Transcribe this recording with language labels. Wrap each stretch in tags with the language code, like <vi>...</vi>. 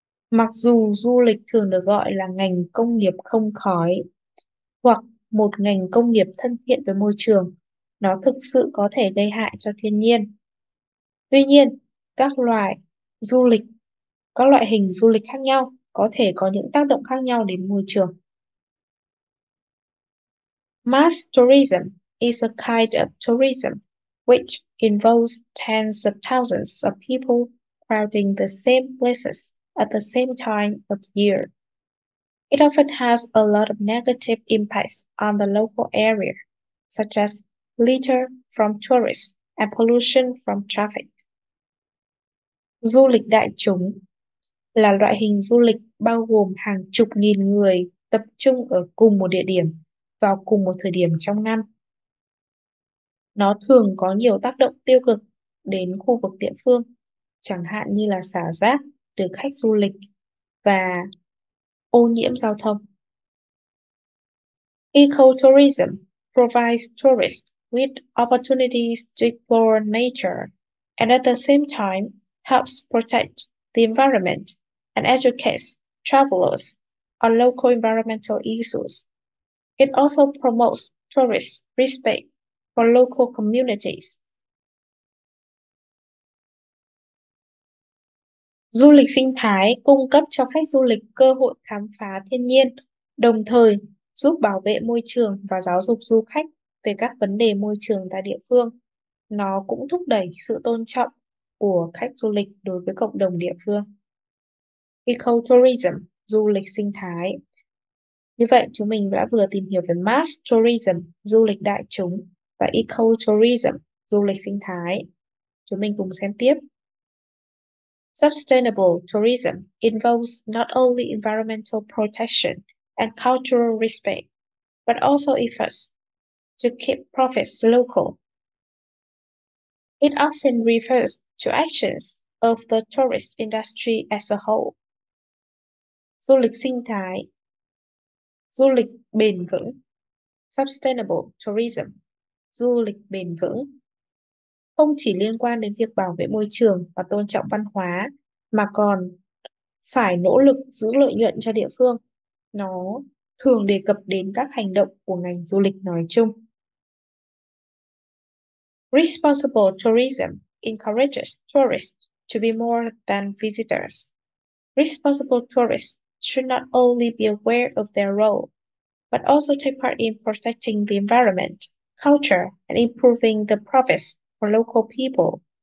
<vi>Mặc dù du lịch thường được gọi là ngành công nghiệp không khói hoặc một ngành công nghiệp thân thiện với môi trường, nó thực sự có thể gây hại cho thiên nhiên. Tuy nhiên, các loại hình du lịch khác nhau có thể có những tác động khác nhau đến môi trường.</vi> <en>Mass tourism is a kind of tourism which involves tens of thousands of people crowding the same places at the same time of year. It often has a lot of negative impacts on the local area, such as litter from tourists and pollution from traffic.</en> <vi>Du lịch đại chúng là loại hình du lịch bao gồm hàng chục nghìn người tập trung ở cùng một địa điểm vào cùng một thời điểm trong năm. Nó thường có nhiều tác động tiêu cực đến khu vực địa phương, chẳng hạn như là xả rác từ khách du lịch và ô nhiễm giao thông.</vi> <en>Ecotourism provides tourists with opportunities to explore nature and at the same time helps protect the environment and educates travelers on local environmental issues. It also promotes tourist respect for local communities.</en> <vi>Du lịch sinh thái cung cấp cho khách du lịch cơ hội khám phá thiên nhiên, đồng thời giúp bảo vệ môi trường và giáo dục du khách về các vấn đề môi trường tại địa phương. Nó cũng thúc đẩy sự tôn trọng của khách du lịch đối với cộng đồng địa phương. Ecotourism, du lịch sinh thái. Như vậy, chúng mình đã vừa tìm hiểu về mass tourism, du lịch đại chúng, và ecotourism, du lịch sinh thái. Chúng mình cùng xem tiếp.</vi> <en>Sustainable tourism involves not only environmental protection and cultural respect, but also efforts to keep profits local. It often refers to actions of the tourist industry as a whole.</en> <vi>Du lịch sinh thái, du lịch bền vững, sustainable tourism, du lịch bền vững, không chỉ liên quan đến việc bảo vệ môi trường và tôn trọng văn hóa, mà còn phải nỗ lực giữ lợi nhuận cho địa phương. Nó thường đề cập đến các hành động của ngành du lịch nói chung.</vi> <en>Responsible tourism encourages tourists to be more than visitors. Responsible tourists should not only be aware of their role, but also take part in protecting the environment, culture, and improving the profits for local people.</en>